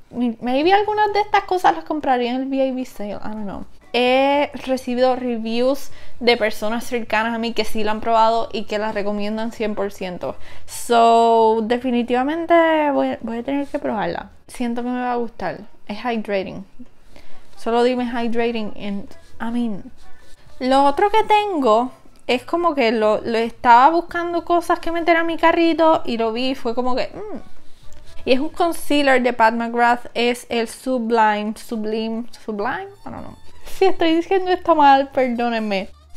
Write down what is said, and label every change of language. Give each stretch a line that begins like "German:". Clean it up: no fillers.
English: Maybe
Spanish: algunas de estas cosas las compraría en el VIB sale.
English: I don't know.
Spanish: He recibido reviews de personas cercanas a mí que sí la han probado y que la recomiendan 100%. So, definitivamente voy a tener que probarla. Siento que me va a gustar. Es hydrating. Solo dime hydrating
English: and I mean.
Spanish: Lo otro que tengo es como que lo estaba buscando cosas que meter a mi carrito y lo vi y fue como que. Y es un concealer de Pat McGrath. Es el Sublime. I don't know. Si estoy diciendo esto mal, perdónenme.